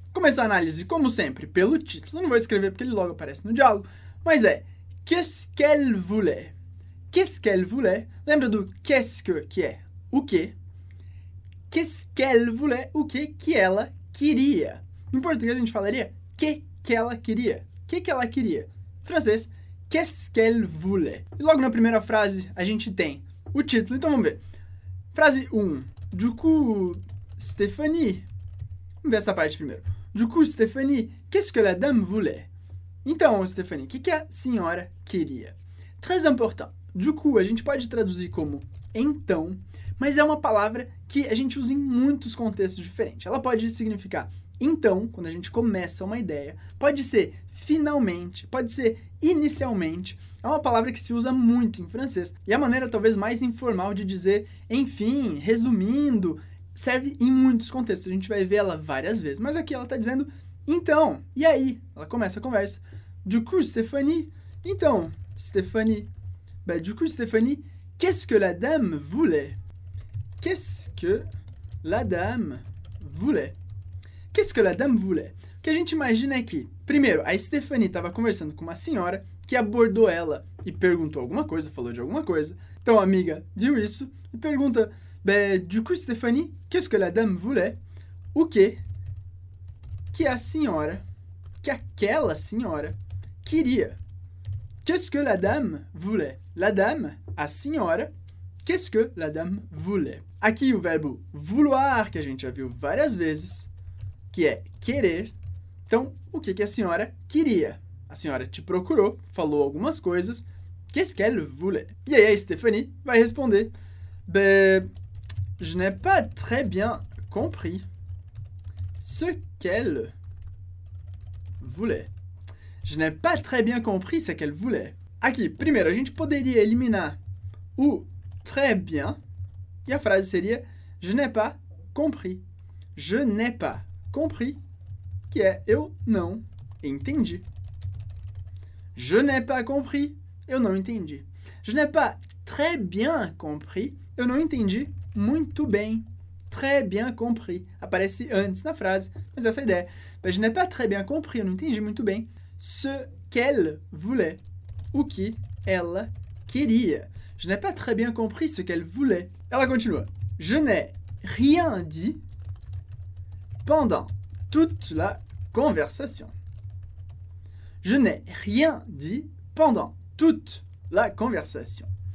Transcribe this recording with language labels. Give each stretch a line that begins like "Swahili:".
Portuguese: Começa a análise, como sempre, pelo título. Não vou escrever porque ele logo aparece no diálogo. Mas é,
French: qu'est-ce qu'elle voulait? Qu'est-ce qu'elle voulait?
Portuguese: Lembra do
French: qu'est-ce que
Portuguese: é o quê?
French: Qu'est-ce qu'elle voulait?
Portuguese: O quê que ela queria? Em português a gente falaria que ela queria. Que ela queria? Em francês,
French: qu'est-ce qu'elle voulait?
Portuguese: E logo na primeira frase a gente tem o título, então vamos ver. Frase 1.
French: Du coup, Stéphanie.
Portuguese: Vamos ver essa parte primeiro.
French: Du coup, Stéphanie, qu'est-ce que la dame voulait?
Portuguese: Então, Stéphanie, que a senhora queria?
French: Très important.
Portuguese: Du coup, a gente pode traduzir como então, mas é uma palavra que a gente usa em muitos contextos diferentes. Ela pode significar então, quando a gente começa uma ideia, pode ser finalmente, pode ser inicialmente. É uma palavra que se usa muito em francês e a maneira talvez mais informal de dizer enfim, resumindo, serve em muitos contextos. A gente vai ver ela várias vezes, mas aqui ela está dizendo então, e aí? Ela começa a conversa.
French: Du coup, Stéphanie.
Portuguese: Então, Stéphanie.
French: Bah, du coup, Stéphanie, qu'est-ce que la dame voulait? Qu'est-ce que la dame voulait? Qu'est-ce que la dame voulait?
Portuguese: O que a gente imagina é que, primeiro, a Stéphanie estava conversando com uma senhora que abordou ela e perguntou alguma coisa, falou de alguma coisa. Então, a amiga viu isso e pergunta,
French: bah, du coup, Stéphanie, qu'est-ce que la dame voulait?
Portuguese: O quê que a senhora, que aquela senhora, queria?
French: Qu'est-ce que la dame voulait? La dame,
Portuguese: a senhora,
French: qu'est-ce que la dame voulait?
Portuguese: Aqui o verbo vouloir, que a gente já viu várias vezes, que é querer. Então, o que a senhora queria? A senhora te procurou, falou algumas coisas.
French: Qu'est-ce qu'elle voulait?
Portuguese: E aí a Stéphanie vai responder.
French: Je n'ai pas très bien compris ce qu'elle voulait. Je n'ai pas très bien compris ce qu'elle voulait.
Portuguese: Aqui, primeiro, a gente poderia eliminar o
French: très bien.
Portuguese: E a frase seria
French: je n'ai pas compris. Je n'ai pas compris,
Portuguese: que é eu não entendi.
French: Je n'ai pas compris,
Portuguese: eu não entendi.
French: Je n'ai pas très bien compris,
Portuguese: eu não entendi muito bem.
French: Très bien compris.
Portuguese: Aparece antes na frase, mas essa é a ideia. Mas
French: je n'ai pas très bien compris,
Portuguese: eu não entendi muito bem.
French: Ce qu'elle voulait,
Portuguese: o que ela queria.
French: Je n'ai pas très bien compris ce qu'elle voulait.
Portuguese: Ela continua.
French: Je n'ai rien dit pendant toute la conversation. Je n'ai rien dit pendant toute la conversation.